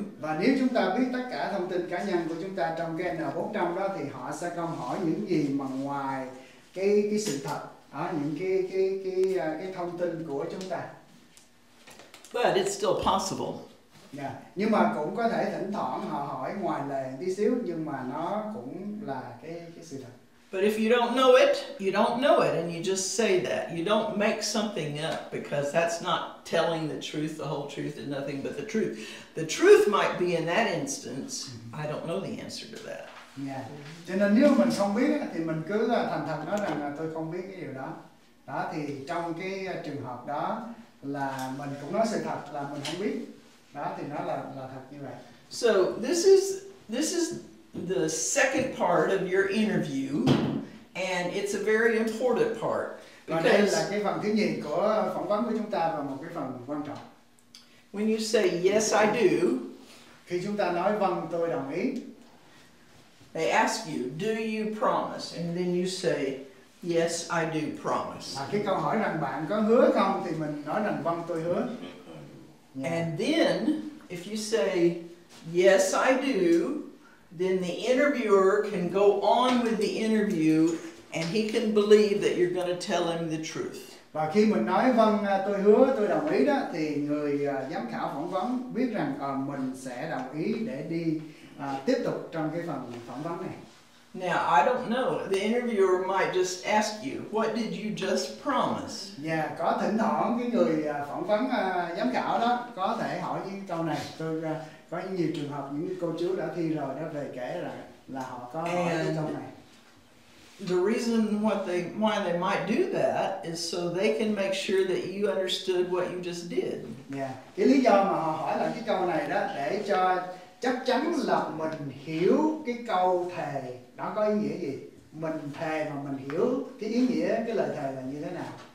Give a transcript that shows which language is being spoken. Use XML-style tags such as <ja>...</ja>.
<vi>Và nếu chúng ta biết tất cả thông tin cá nhân của chúng ta trong cái N400 đó thì họ sẽ không hỏi những gì mà ngoài cái sự thật, những cái thông tin của chúng ta.</vi> <en>But it's still possible. Yeah.</en> <vi>Nhưng mà cũng có thể thỉnh thoảng họ hỏi ngoài lề tí xíu nhưng mà nó cũng là cái sự thật.</vi> <en>But if you don't know it, you don't know it, and you just say that. You don't make something up, because that's not telling the truth, the whole truth, and nothing but the truth. The truth might be in that instance, I don't know the answer to that. Yeah.</en> <vi>Cho nên nếu mình không biết thì mình cứ thành thật nói rằng là tôi không biết cái điều đó. Đó thì trong cái trường hợp đó là mình cũng nói sự thật là mình không biết. Đó thì nó là thật như vậy.</vi> <en>So this is the second part of your interview, and it's a very important part. Because</en> <vi>đây là cái phần thứ nhì của phỏng vấn của chúng ta và một cái phần quan trọng.</vi> <en>When you say yes, I do.</en> <vi>Khi chúng ta nói vâng, tôi đồng ý.</vi> <en>They ask you, do you promise? And then you say, yes, I do promise.</en> <vi>À, cái câu hỏi rằng bạn có hứa không thì mình nói rằng vâng, tôi hứa.</vi> <en>Yeah. And then, if you say, yes, I do, then the interviewer can go on with the interview and he can believe that you're going to tell him the truth.</en> <vi>Và khi mình nói vâng, tôi hứa, tôi đồng ý đó, thì người giám khảo phỏng vấn biết rằng mình sẽ đồng ý để đi tiếp tục trong cái phần phỏng vấn này.</vi> <en>Now, I don't know. The interviewer might just ask you, what did you just promise?</en> <vi>Yeah, có thỉnh thoảng cái người phỏng vấn giám khảo đó có thể hỏi những câu này. Tôi có nhiều trường hợp những cô chú đã thi rồi đã về kể là họ có hỏi những câu này.</vi> <en>The reason why they might do that is so they can make sure that you understood what you just did. Yeah.</en> <vi>Cái lý do mà họ hỏi là cái câu này đó để cho chắc chắn là mình hiểu cái câu thề đó có ý nghĩa gì. Mình thề mà mình hiểu cái ý nghĩa cái lời thề là như thế nào.</vi>